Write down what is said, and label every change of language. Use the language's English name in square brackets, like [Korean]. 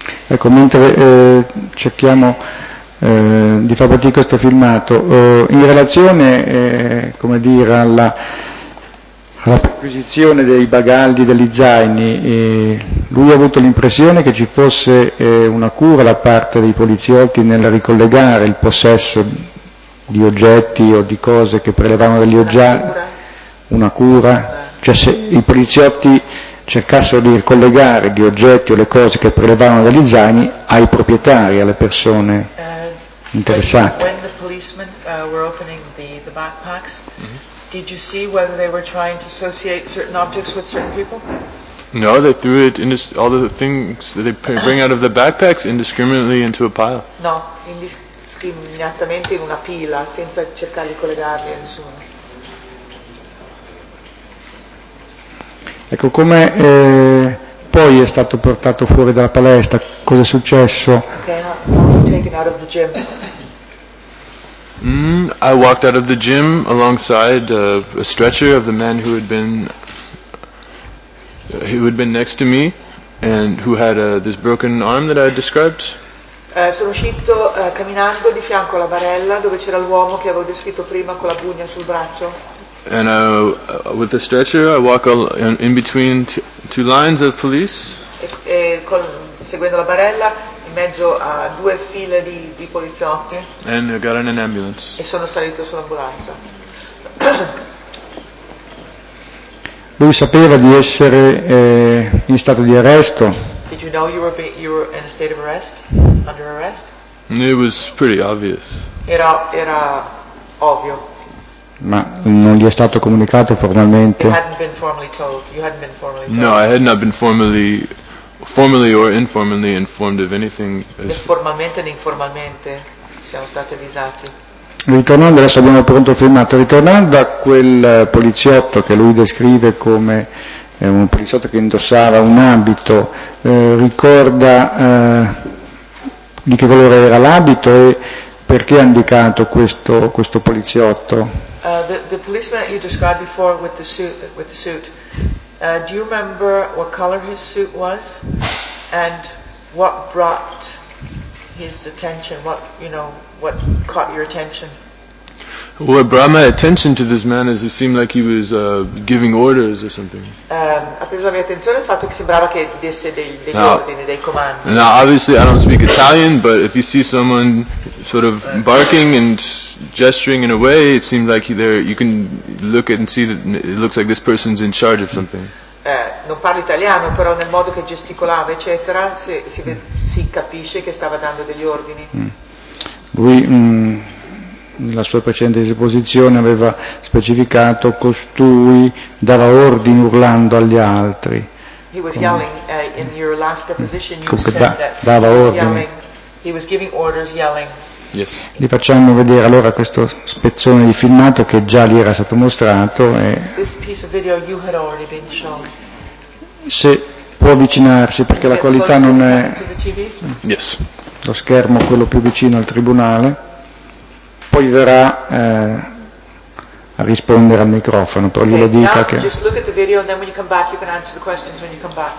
[Italian] Ecco, mentre cerchiamo di far partire questo filmato, in relazione, come dire, alla perquisizione dei bagagli, degli zaini, lui ha avuto l'impressione che ci fosse una cura da parte dei poliziotti nel ricollegare il possesso di oggetti o di cose che prelevavano dagli oggetti, una cura, cioè se i poliziotti cercassero di collegare gli oggetti o le cose che prelevavano dagli zaini ai proprietari, alle persone interessate. [English] When the policemen were opening the backpacks, did you see whether they were trying to associate certain objects with certain people? No, they threw it in all the things that they bring out of the backpacks indiscriminately into a pile. [Italian] No, indiscriminatamente in una pila, senza cercare di collegarli a nessuno. Ecco, come poi è stato portato fuori dalla palestra? Cosa è successo? [English] I walked out of the gym alongside a stretcher of the man who had been next to me and who had this broken arm that I had described. [Italian] Sono uscito camminando di fianco alla barella dove c'era l'uomo che avevo descritto prima con la bugna sul braccio. [English] And with the stretcher I walk in between two lines of police. [Italian] E con, seguendo la barella in mezzo a due file di poliziotti. [English] And I got in an ambulance. [Italian] E sono salito sull'ambulanza. Lui sapeva di essere in stato di arresto. [English] Did you know you were in a state of arrest, under arrest? It was pretty obvious. [Italian] Era ovvio. Ma non gli è stato comunicato formalmente. [English] You hadn't been formally told. You hadn't been formally told. No, I had not been formally or informally informed of anything. [Italian] Formalmente né informalmente siamo stati avvisati. Ritornando, adesso abbiamo pronto filmato, ritornando a quel poliziotto che lui descrive come un poliziotto che indossava un abito, ricorda di che colore era l'abito e perché ha indicato questo poliziotto? [English] The policeman that you described before with the suit, do you remember what color his suit was and what brought his attention, what caught your attention? What brought my attention to this man is it seemed like he was giving orders or something. [Italian] Ha preso la mia attenzione il fatto che sembrava che desse degli ordini, dei comandi. [English] Now, obviously, I don't speak Italian, but if you see someone sort of barking and gesturing in a way, it seemed like you can look and see that it looks like this person's in charge of something. [Italian] Non parlo italiano, però nel modo che gesticolava, eccetera, si capisce che stava dando degli ordini. Lui, nella sua precedente esposizione, aveva specificato costui dava ordini urlando agli altri. [English] He was yelling, in your last deposition, you [Italian] comunque [English] said that [Italian] dava ordini. [English] He was giving orders, yelling. Yes. [Italian] Li facciamo vedere allora questo spezzone di filmato che già gli era stato mostrato. [English] This piece of video you had already been shown. [Italian] Se può avvicinarsi, perché la qualità non è. [English] Yes. [Italian] Lo schermo, quello più vicino al tribunale. Poi verrà a rispondere al microfono, però glielo dica che. [English] Just look at the video and then when you come back you can answer the questions when you come back.